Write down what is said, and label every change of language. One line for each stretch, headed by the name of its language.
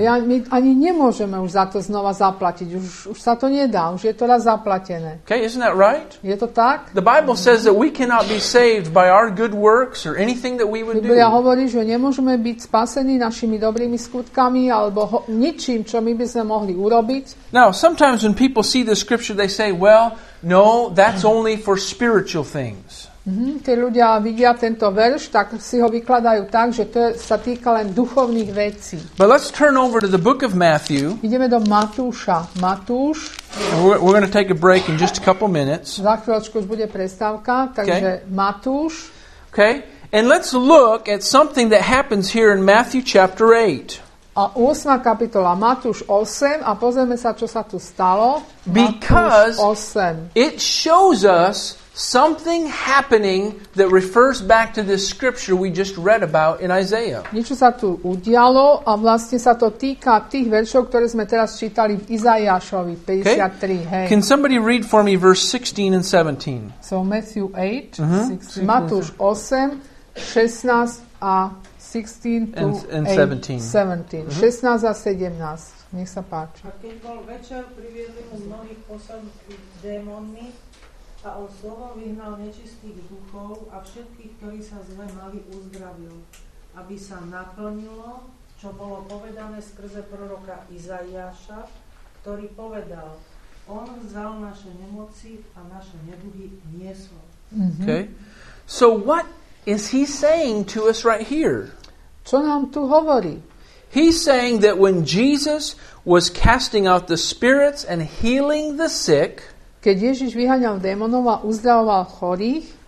Slovak: My ani nemôžeme už za to znova zaplatiť. Už sa to nedá. Už je to raz zaplatené.
English: Okay, isn't that right?
Slovak: Je to tak?
English: The Bible says that we cannot be saved by our good works or anything that we would do.
Slovak: Biblia hovorí, že nemôžeme byť spasení našimi dobrými skutkami alebo ničím, čo my by sme mohli urobiť.
English: Now, sometimes when people see the scripture, they say, well, no, that's only for spiritual things.
Slovak: Keď ľudia vidia tento verš, tak si ho vykladajú tak, že to sa týka len duchovných vecí.
English: But let's turn over to the book of Matthew.
Slovak: Ideme do Matúša. Matúš.
English: We're going to take a break in just a couple minutes.
Slovak: Za chvíľočku už bude prestávka, takže okay. Matúš.
English: Okay. And let's look at something that happens here in Matthew chapter 8.
Slovak: A 8. kapitola, Matúš 8, a pozrieme sa, čo sa tu stalo.
English: Because it shows us something happening that refers back to this scripture we just read about in Isaiah.
Slovak: Niečo sa tu udialo a vlastne sa to týka tých veršov, ktoré sme teraz čítali v Izaiášovi 53.
English: Okay. Hey. Can somebody read for me verse 16 and 17? So Matthew 8,
Slovak: Matúš 8, 16 a 16
English: and
Slovak: 17. 16 a 17. Nech sa páči. A keď bol večer, priviedli mu mnohých posadných démonmi, a on slovom vyhnal nečistých duchov a všetkých, ktorí sa zle mali, uzdravil, aby sa naplnilo, čo bolo povedané skrze proroka Izaiáša, ktorý povedal, on vzal naše nemoci a naše neduhy niesol.
English: Okay. So what is he saying to us right here?
Slovak: Čo nám tu hovorí?
English: He's saying that when Jesus was casting out the spirits and healing the sick,
Slovak: keď Ježiš vyháňal démonov a uzdravoval chorých,